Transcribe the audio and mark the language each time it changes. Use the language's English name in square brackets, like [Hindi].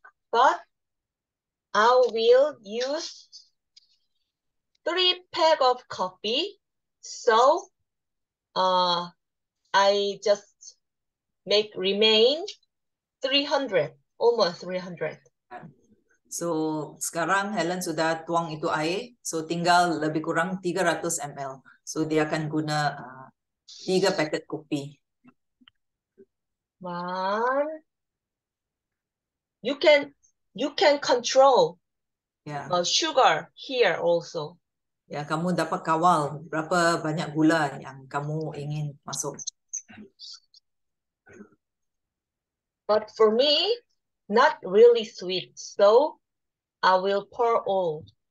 [English] But I will use 3 pack of coffee. So I just make remain 300, almost 300. [Malay] So sekarang Helen sudah tuang itu air, so tinggal lebih kurang 300 ml. So dia akan guna 3 paket kopi. 1. [English] You can control sugar here also. [Malay] Ya, kamu dapat kawal berapa banyak gula yang kamu ingin masuk. [English] But for me, not really sweet, so I will pour all.